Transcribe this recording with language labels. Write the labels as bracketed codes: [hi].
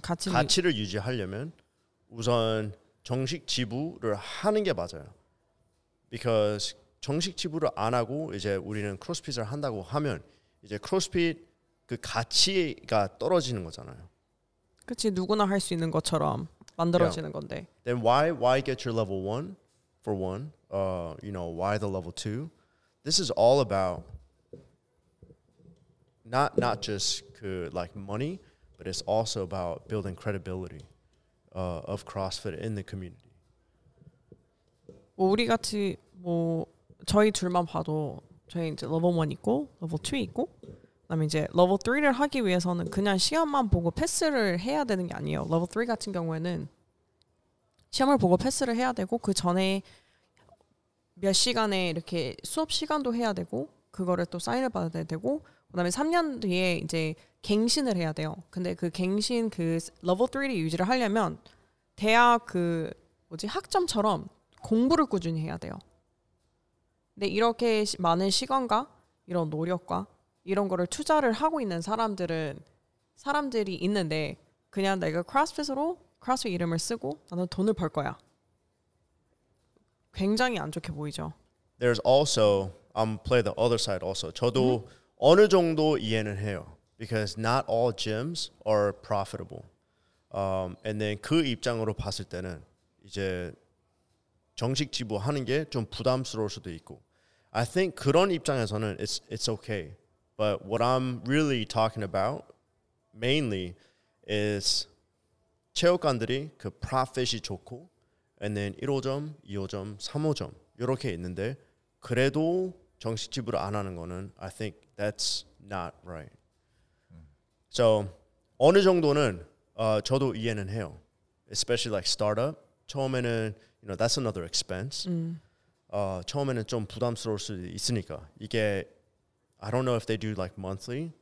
[ko] 가치를 유지하려면 우선 정식 지부를 하는 게 맞아요. [en] Because [ko] 정식 지불을 안 하고 이제 우리는 크로스핏을 한다고 하면 이제 크로스핏 그 가치가 떨어지는 거잖아요. 그렇지 누구나 할 수 있는 것처럼 만들어지는 [en] yeah. [ko] 건데. [en] Then why get your level one for one? You know why the level two? This is all about not just 그 like money, but it's also about building credibility of CrossFit in the community. [ko] 뭐 우리 같이 뭐 저희 둘만 봐도 저희 이제 레벨 1 있고 레벨 2 있고 그다음에 이제 레벨 3를 하기 위해서는 그냥 시험만 보고 패스를 해야 되는 게 아니에요. 레벨 3 같은 경우에는 시험을 보고 패스를 해야 되고 그 전에 몇 시간에 이렇게 수업 시간도 해야 되고 그거를 또 사인을 받아야 되고 그다음에 3년 뒤에 이제 갱신을 해야 돼요. 근데 그 갱신 그 레벨 3를 유지를 하려면 대학 그 뭐지 학점처럼 공부를 꾸준히 해야 돼요. 근데 이렇게 많은 시간과 이런 노력과 이런 거를 투자를 하고 있는 사람들이 있는데 그냥 내가 크로스핏으로 크로스핏 이름을 쓰고 나는 돈을 벌 거야. 굉장히 안 좋게 보이죠. [en] There's also I'm play the other side also. [ko] 저도 어느 정도 이해는 해요. [en] Because not all gyms are profitable. And then [ko] 그 입장으로 봤을 때는 이제 정식 지불하는 게 좀 부담스러울 수도 있고 [en] I think [ko] 그런 입장에서는 [en] it's okay. But what I'm really talking about mainly is [ko] 체육관들이 그 [en] profit이 좋고 and then [ko] 1호점, 2호점, 3호점 이렇게 있는데 그래도 정식 지불을 안 하는 거는 [en] I think that's not right. So [ko] 어느 정도는 저도 이해는 해요. [en] Especially like startup [ko] 처음에는 [en] You know, that's another expense. [ko] 처음에는 좀 부담스러울 수 있으니까. 이게, [en] I don't know if they do like monthly.